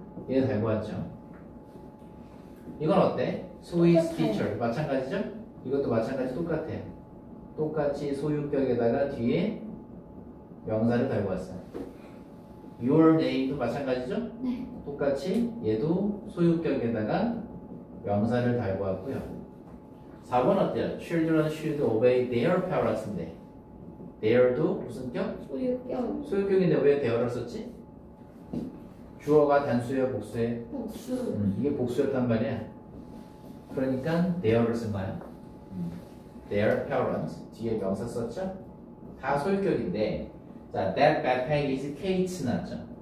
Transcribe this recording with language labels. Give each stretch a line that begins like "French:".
Korean: 얘 달고 왔죠? 이건 어때?
English: So is teacher.
Korean: 마찬가지죠? 이것도 마찬가지 똑같아. 똑같이 소유격에다가 뒤에 명사를 달고 왔어요. Your name도 마찬가지죠? 네. 똑같이 얘도 소유격에다가 명사를 달고 왔고요. 4번 어때요?
English: Children should obey their parents인데 their도
Korean: 무슨 격? 소유격. 소유격인데 왜 their를 썼지? 주어가 단수예요? 복수예? 복수. 이게 복수였단 말이야. 그러니까 their를 쓴 거야.
English: Their parents
Korean: 뒤에 명사 썼죠? 다 소유격인데 자,
English: that backpack is Kate's
Korean: 났죠?